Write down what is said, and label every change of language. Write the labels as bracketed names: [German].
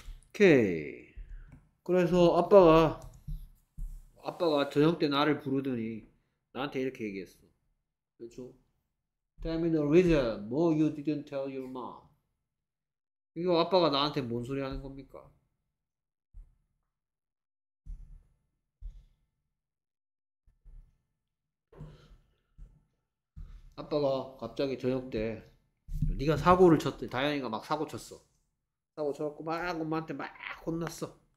[Korean] 오케이. 그래서 아빠가 저녁 때 나를 부르더니 나한테 이렇게 얘기했어. 그렇죠? [English] Tell me the reason why you didn't tell your mom. [Korean] 이거 아빠가 나한테 뭔 소리 하는 겁니까? 아빠가 갑자기 저녁 때 네가 사고를 쳤대. 다현이가 막 사고 쳤어. 하고 저렇고 막 엄마한테 막 혼났어.